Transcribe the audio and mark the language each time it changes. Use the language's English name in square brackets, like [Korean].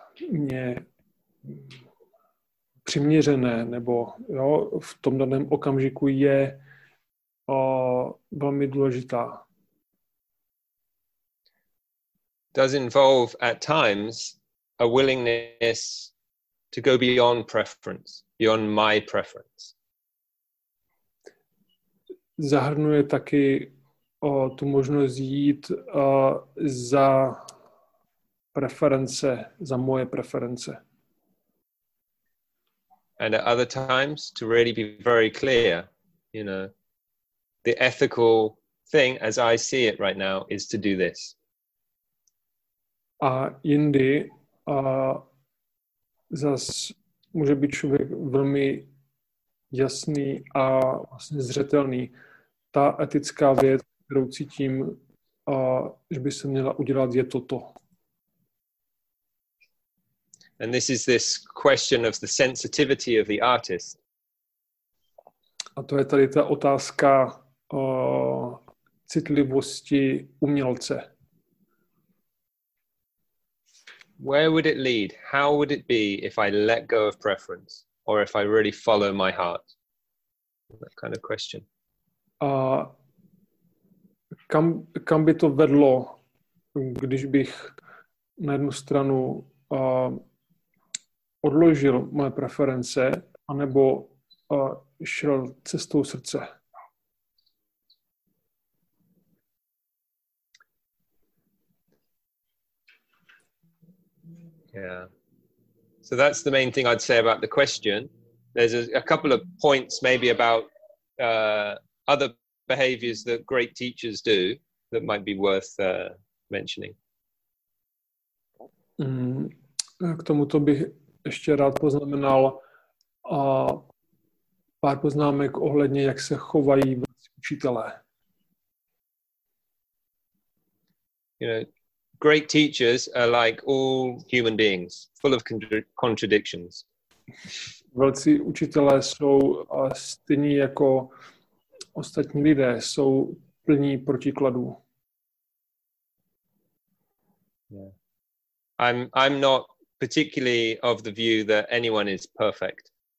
[Czech] mě přiměřené, nebo jo, v tom daném okamžiku je velmi důležitá. [English] Does involve at times a willingness to go beyond preference, beyond my preference. [Czech] Zahrnuje taky tu možnost jít za preference, za moje preference. [English] And at other times, to really be very clear, you know, the ethical thing, as I see it right now, is to do this. [Czech] A jindy zase může být člověk velmi jasný a vlastně zřetelný. Ta etická věc, kterou cítím, že by se měla udělat, je toto. [English] And this is this question of the sensitivity of the artist. [Czech] A to je tady ta otázka citlivosti umělce. [English] Where would it lead? How would it be if I let go of preference or if I really follow my heart? That kind of question. [Czech] Kam by to vedlo, když bych na jednu stranu odložil moje preference anebo šel cestou srdce? [English] Yeah. So that's the main thing I'd say about the question. There's a couple of points maybe about other behaviors that great teachers do that might be worth mentioning. [Czech] K tomuto bych ještě rád poznamenal pár poznámek ohledně, jak se chovají učitelé. [English] You know, great teachers are like all human beings, full of contradictions. [Czech] Velcí učitelé jsou stejní jako ostatní lidé, jsou plní protikladů. [English] Yeah. I'm not particularly of the view that anyone is perfect.